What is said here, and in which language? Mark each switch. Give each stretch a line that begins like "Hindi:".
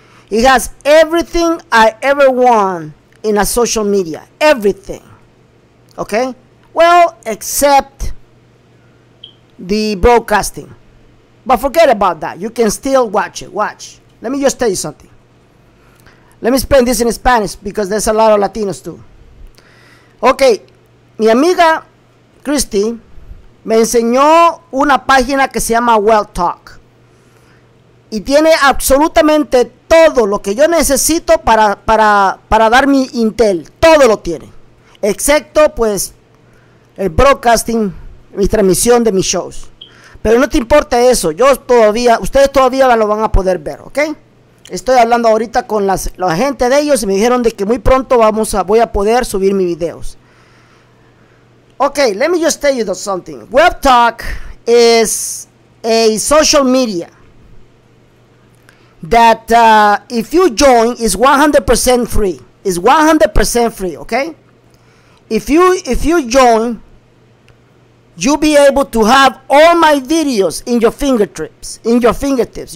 English: It has everything I ever want in a social media. Everything. Okay? Well, except the broadcasting. But forget about that. You can still watch it. Watch. Let me just tell you something. Let me explain this in Spanish because there's a lot of Latinos too. Okay.
Spanish: Mi amiga Christy me enseñó una página que se llama Webtalk. Y tiene absolutamente todo lo que yo necesito para dar mi intel. Todo lo tiene. Excepto, pues, el broadcasting, mi transmisión de mis shows. Pero no te importa eso. Yo todavía, ustedes todavía lo van a poder ver, ¿ok? Estoy hablando ahorita con la gente de ellos y me dijeron de que muy pronto voy a poder subir mis videos.
English: Okay, let me just tell you something. Webtalk is a social media that if you join, is 100% free. It's 100% free, okay? If you join, you'll be able to have all my videos in your fingertips.